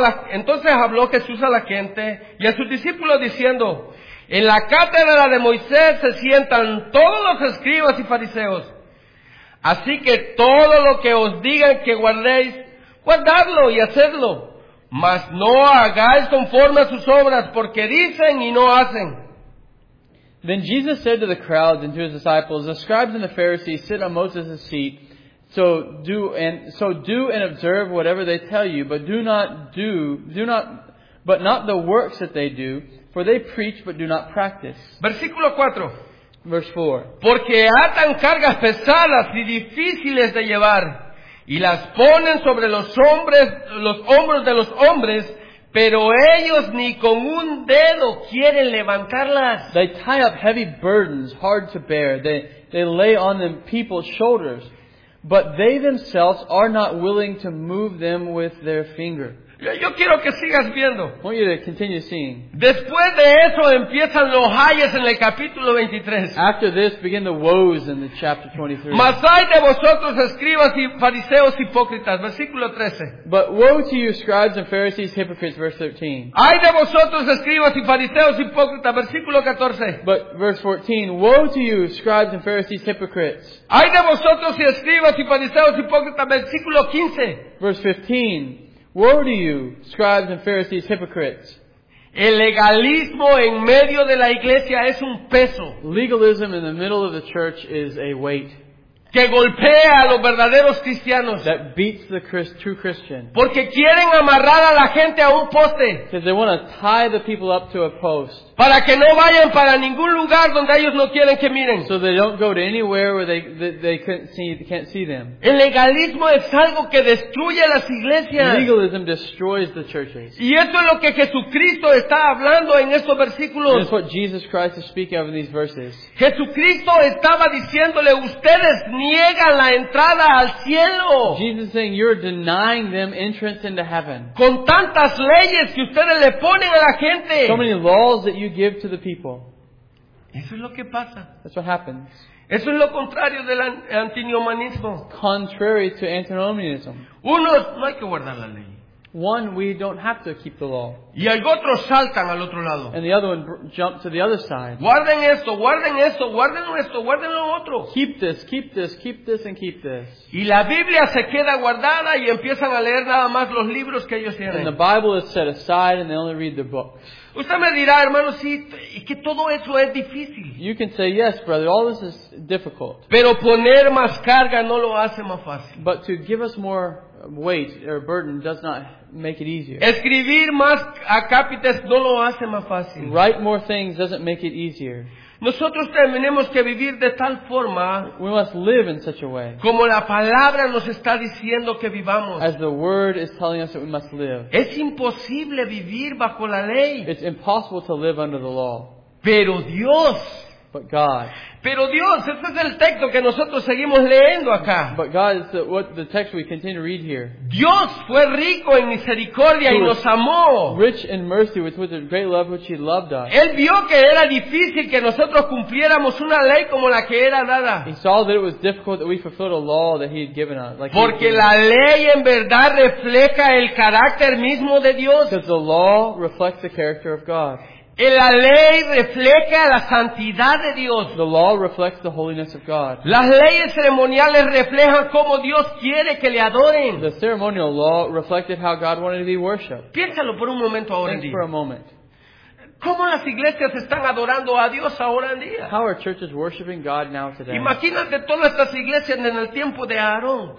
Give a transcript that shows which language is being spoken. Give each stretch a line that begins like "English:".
Spanish: Entonces habló Jesús a la gente y a sus discípulos diciendo, en la cátedra de Moisés se sientan todos los escribas y fariseos. Así que todo lo que os digan que guardéis, guardadlo y hacedlo. Mas no hagáis conforme a sus obras, porque dicen y no hacen.
English: Then Jesus said to the crowds and to his disciples, the scribes and the Pharisees sit on Moses' seat, so do and observe whatever they tell you, but do not the works that they do, for they preach but do not practice.
Spanish: Versículo 4.
English: Verse 4.
Spanish: Porque atan cargas pesadas y difíciles de llevar, y las ponen sobre los hombros de los hombres, pero ellos ni con un dedo quieren levantarlas.
English: They tie up heavy burdens, hard to bear. They lay on them people's shoulders, but they themselves are not willing to move them with their finger.
Spanish: Yo quiero que sigas viendo.
English: I want you to continue seeing.
Spanish: Después de eso empiezan los ayes en el capítulo 23.
English: After this begin the woes in the chapter 23.
Spanish: Mas ay de vosotros, escribas y fariseos hipócritas. Versículo 13.
English: But woe to you, scribes and Pharisees, hypocrites. Verse 13.
Spanish: Ay de vosotros, escribas y fariseos hipócritas. Versículo 14.
English: But verse 14. Woe to you, scribes and Pharisees, hypocrites.
Spanish: Ay de vosotros, y escribas y fariseos hipócritas. Versículo 15.
English: Verse 15. Woe to you, scribes and Pharisees, hypocrites.
Spanish: El legalismo en medio de la iglesia es un peso.
English: Legalism in the middle of the church is a weight.
Spanish: Que golpea a los verdaderos cristianos.
English: That beats the true Christian.
Spanish: Porque quieren amarrar a la gente a un poste.
English: Because they want to tie the people up to a post.
Spanish: Para que no vayan para ningún lugar donde ellos no quieren que miren.
English: So they don't go to anywhere where they couldn't see, can't see them.
Spanish: El legalismo es algo que destruye las iglesias.
English: Legalism destroys the churches.
Spanish: Y esto es lo que Jesucristo está hablando en estos versículos.
English: This is what Jesus Christ is speaking of in these verses.
Spanish: Jesucristo estaba diciéndole, ustedes niegan la entrada al cielo.
English: Jesus is saying you're denying them entrance into heaven.
Spanish: Con tantas leyes que ustedes le ponen a la gente.
English: So many laws that you give to the people.
Spanish: Eso es lo que pasa.
English: That's what happens.
Spanish: Eso es lo contrario del antinomianismo.
English: Contrary to antinomianism.
Spanish: Uno, no hay que guardar la ley.
English: One, we don't have to keep the law.
Spanish: Y el otro saltan al otro lado.
English: And the other one jump to the other side.
Spanish: Guarden esto, guarden esto, guarden esto, guarden lo otro.
English: Keep this, keep this, keep this, and keep this.
Spanish: Y la Biblia se queda guardada y empiezan a leer nada más los libros que ellos tienen.
English: And the Bible is set aside and they only read their books.
Spanish: Usted me dirá, hermano, sí, que todo eso es difícil.
English: You can say, yes, brother, all this is difficult.
Spanish: Pero poner más carga no lo hace más fácil.
English: But to give us more weight or burden does not make it easier.
Spanish: Escribir más acápites no lo hace más fácil.
English: Write more things doesn't make it easier.
Spanish: Nosotros tenemos que vivir de tal forma,
English: we must live in such a way,
Spanish: como la palabra nos está diciendo que vivamos.
English: As the word is telling us that we must live.
Spanish: Es imposible vivir bajo la ley.
English: It's impossible to live under the law.
Spanish: Pero Dios.
English: But God.
Spanish: Pero Dios, este es el texto que nosotros seguimos leyendo acá.
English: But God is the text we continue to read here.
Spanish: Dios fue rico en misericordia y nos amó.
English: Rich in mercy with a great love which he loved us.
Spanish: Él vio que era difícil que nosotros cumpliéramos una ley como la que era dada.
English: He saw that it was difficult that we fulfilled a law that he had given us. Like
Spanish: porque la ley en verdad refleja el carácter mismo de Dios.
English: Because the law reflects the character of God.
Spanish: La ley refleja la santidad de Dios.
English: The law reflects the holiness of God.
Spanish: Las leyes ceremoniales reflejan cómo Dios quiere que le adoren.
English: The ceremonial law reflected how God wanted to be worshipped.
Spanish: Piénsalo por un momento ahora en día.
English: For a moment.
Spanish: ¿Cómo las iglesias están adorando a Dios ahora en día?
English: How are churches worshiping God now today?
Spanish: Imagínate todas estas iglesias en el tiempo de Aarón.